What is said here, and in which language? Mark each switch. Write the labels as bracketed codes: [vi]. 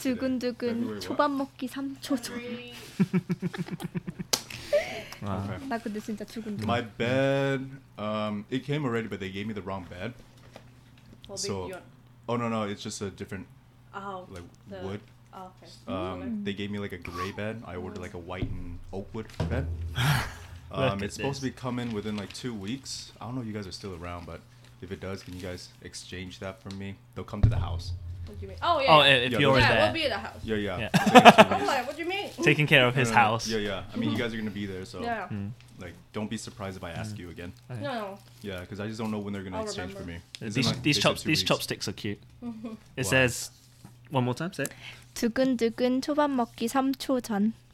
[ko] 두근두근 초밥 먹기 3초 전. [en] Okay. [ko] 나 근데 진짜 두근두근. [en] My bed, it came already, but they gave me the wrong bed. So, it's just a different, wood. Oh, okay. They gave me like a gray bed. I ordered like a white and oak wood bed. It's supposed to be coming within like 2 weeks. I don't know if you guys are still around, but if it does, can you guys exchange that for me? They'll come to the house. What do you mean? Oh, yeah. Oh, if you're yeah, there. Yeah, we'll be at the house. Yeah, yeah. Yeah. I'm like, what do you mean? Taking care of his house. Yeah, yeah. I mean, you guys are going to be there, so. Yeah. Mm. Like, don't be surprised if I ask you again. Okay. No. Yeah, because I just don't know when they're going to exchange for me. These chopsticks are cute. It says, one more time, say it. [ko] 두근두근 초밥 먹기 3초 전.